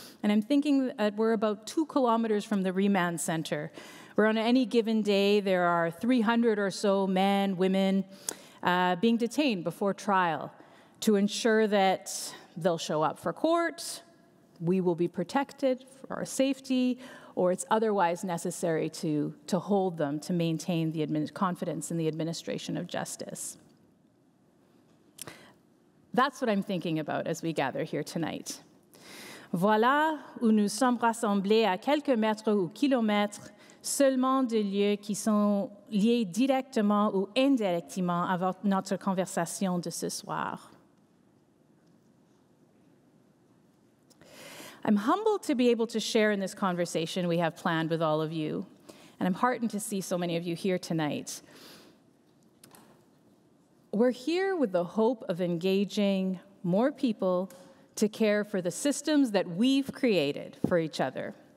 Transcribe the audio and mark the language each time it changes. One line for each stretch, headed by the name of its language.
English: And I'm thinking that we're about 2 kilometers from the Remand Center, where on any given day there are 300 or so men, women being detained before trial to ensure that they'll show up for court, we will be protected for our safety, or it's otherwise necessary to hold them to maintain the confidence in the administration of justice. That's what I'm thinking about as we gather here tonight.
French: Voilà où nous sommes rassemblés à quelques mètres ou kilomètres seulement de lieux qui sont liés directement ou indirectement à notre conversation de ce soir.
English: I'm humbled to be able to share in this conversation we have planned with all of you, and I'm heartened to see so many of you here tonight. We're here with the hope of engaging more people to care for the systems that we've created for each other.